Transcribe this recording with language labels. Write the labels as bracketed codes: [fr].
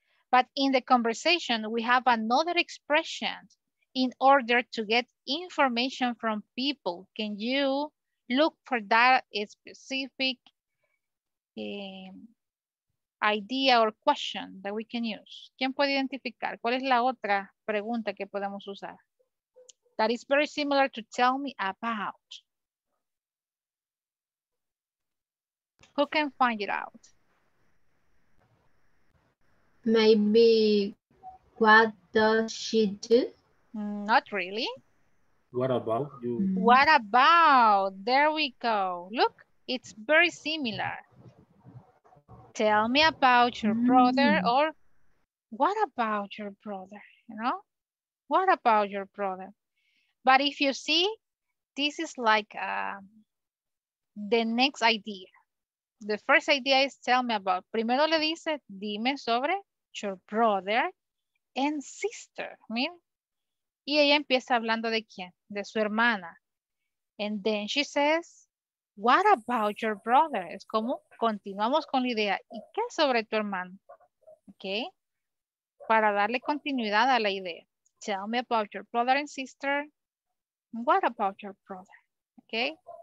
[en] But in the conversation, we have another expression in order to get information from people. Can you look for that specific idea or question that we can use? [es] ¿Quién puede identificar? ¿Cuál es la otra pregunta que podemos usar? [en] That is very similar to tell me about. Who can find it out? Maybe what does she do? Not really. What about you? What about? There we go. Look, it's very similar. Tell me about your brother, or what about your brother, you know? What about your brother? But if you see, this is like the next idea. The first idea is tell me about. [es] Primero le dice, dime sobre [en] your brother and sister. I mean, [es] y ella empieza hablando de quién, de su hermana. [en] And then she says, what about your brother? [es] Es como continuamos con la idea. ¿Y qué sobre tu hermano? Okay. Para darle continuidad a la idea. [en] Tell me about your brother and sister. What about your brother? Okay.